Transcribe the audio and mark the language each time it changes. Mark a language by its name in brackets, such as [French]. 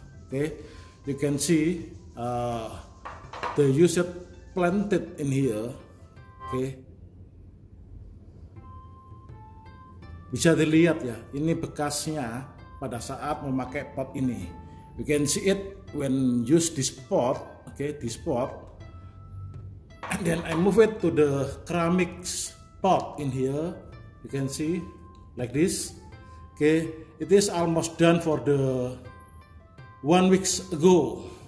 [English] Okay. You can see the user planted in here. Okay. [Indonesian] Bisa dilihat ya, ini bekasnya pada saat memakai pot ini. [English] You can see it when use this pot, okay, this pot. And then I move it to the ceramic pot in here. You can see like this. Okay, it is almost done for the 1 week ago.